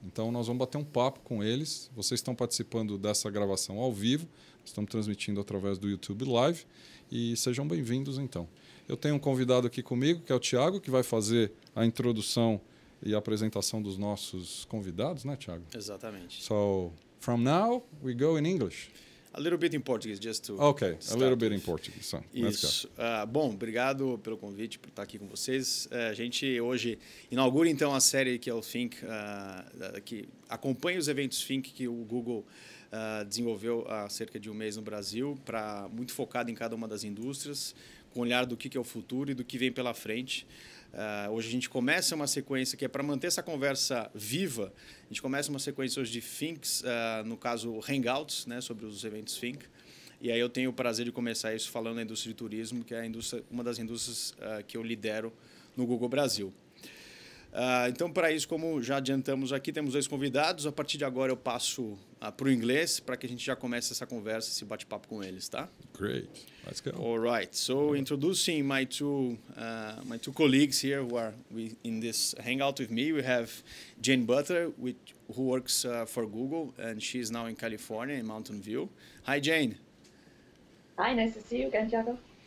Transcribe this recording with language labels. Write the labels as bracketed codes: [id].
[pt] Então nós vamos bater um papo com eles. Vocês estão participando dessa gravação ao vivo, estamos transmitindo através do YouTube Live e sejam bem-vindos então. Eu tenho um convidado aqui comigo, que é o Thiago, que vai fazer a introdução e a apresentação dos nossos convidados, né, Thiago? Exatamente. [en] So, from now, we go in English. A little bit in Portuguese, just to... Okay, start a little bit in Portuguese. So, [pt] isso. Bom, obrigado pelo convite, por estar aqui com vocês. A gente hoje inaugura, então, a série que é o Think, que acompanha os eventos Think que o Google desenvolveu há cerca de um mês no Brasil, para muito focado em cada uma das indústrias, com olhar do que é o futuro e do que vem pela frente. Hoje a gente começa uma sequência que é para manter essa conversa viva. A gente começa uma sequência hoje de Thinks, no caso Hangouts, né, sobre os eventos Think. E aí eu tenho o prazer de começar isso falando da indústria de turismo, que é a indústria, uma das indústrias que eu lidero no Google Brasil. Então, para isso, como já adiantamos aqui, temos dois convidados. A partir de agora eu passo para o inglês, para que a gente já comece essa conversa, esse bate-papo com eles, tá? [en] Great. Let's go. All right. So, introducing my two colleagues here who are in this hangout with me. We have Jane Butler, who works for Google, and she is now in California, in Mountain View. Hi, Jane. Hi, nice to see you again, Thiago.